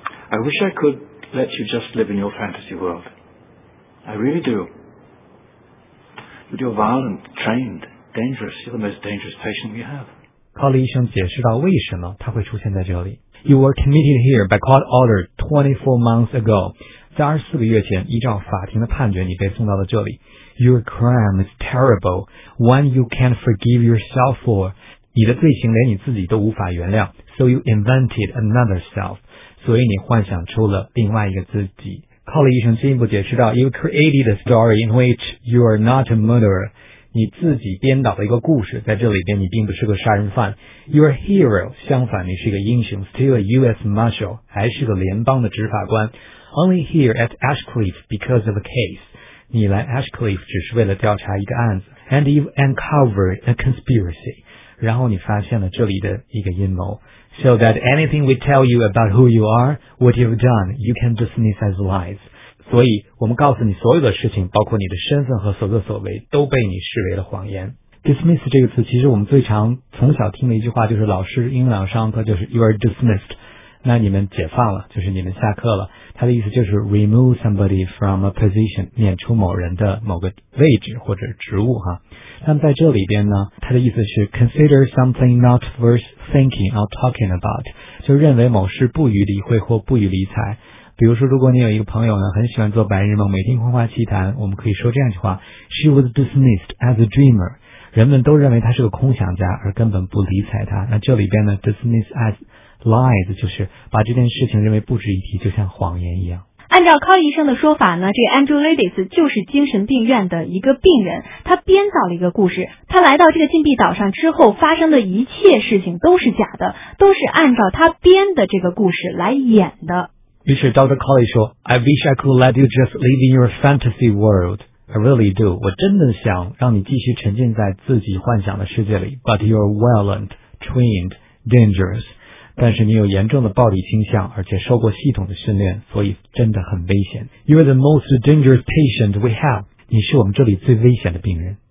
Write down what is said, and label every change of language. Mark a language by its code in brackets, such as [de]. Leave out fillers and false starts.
[en] I wish I could let you just live in your fantasy world. I really do. But you're violent, trained, dangerous. You're the most dangerous patient we have. [zh] Cawley 医生解释到为什么他会出现在这里。 [en] You were committed here by court order 24 months ago. [zh] 在24个月前依照法庭的判决你被送到了这里。 [en] Your crime is terrible, one you can't forgive yourself for. [zh] 你的罪行连你自己都无法原谅。 [en] So you invented another self. [zh] 所以你幻想出了另外一个自己。 [en] Cawley 医生进一步解释到 You created a story in which you are not a murderer. [zh] 你自己编导的一个故事，在这里边你并不是个杀人犯。 [en] You are a hero. 相反，你是一个英雄。 Still a U.S. Marshal. [zh] 还是个联邦的执法官。 [en] Only here at Ashcliff because of a case. [zh] 你来 Ashcliff 只是为了调查一个案子。 And you uncovered a conspiracy. 然后你发现了这里的一个阴谋。 [en] So that anything we tell you about who you are, what you've done, you can dismiss as lies. [zh] 所以我们告诉你所有的事情，包括你的身份和所作所为，都被你视为了谎言。 Dismiss 这个词其实我们最常从小听的一句话就是老师英语老师上课就是 You are dismissed，那你们解放了，就是你们下课了。它的意思就是 remove somebody from a position，免除某人的某个位置或者职务哈。那么在这里边呢，它的意思是 consider something not worth thinking or talking about，就认为某事不予理会或不予理睬。比如说如果你有一个朋友呢，很喜欢做白日梦，每天夸夸其谈，我们可以说这样一句话， She was dismissed as a dreamer，人们都认为她是个空想家而根本不理睬她。那这里边呢 dismiss as lies 就是把这件事情认为不值一提，就像谎言一样。按照康医生的说法呢，这个 Andrew Ladies 就是精神病院的一个病人，他编造了一个故事，他来到这个禁闭岛上之后发生的一切事情都是假的，都是按照他编的这个故事来演的。于是 Dr. [en] Colley 说 I wish I could let you just live in your fantasy world. I really do. [zh] 我真的想让你继续沉浸在自己幻想的世界里。 [en] But you're violent, trained, dangerous. [zh] 但是你有严重的暴力倾向，而且受过系统的训练，所以真的很危险。 [en] You're the most dangerous patient we have. [zh] 你是我们这里最危险的病人。